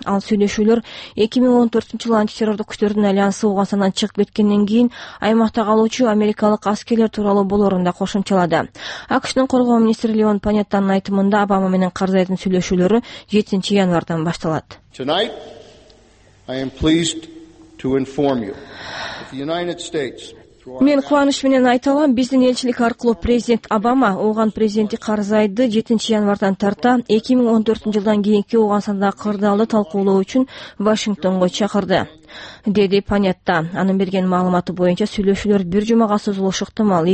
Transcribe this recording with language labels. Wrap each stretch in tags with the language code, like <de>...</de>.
<ky>Ал сүйлөшүүлөр 2014-жылы антитеррордук күчтөрдүн альянсы Угансандан чыгып кеткенден кийин аймакта калуучу америкалык аскерлер тууралуу болорун да кошумчалады. АКШнын коргоо министри Леон Панеттанын айтымында Обама менен Карзайдын сүйлөшүүлөрү 7-январдан башталат.</ky> <en>Tonight, I am pleased to inform you that the United States...</en> <ky>Мен кубаныч менен айта алам, биздин элчилик аркылуу президент Обама Ууган президенти Карзайды 7-январдан тарта 2014-жылдан кийинки Угансандагы кырдаалды талкуулоо үчүн Вашингтонго чакырды, деди Панетта. Анын берген маалыматы боюнча сүйлөшүүлөр бир жумага созулушу ыктымал.</ky>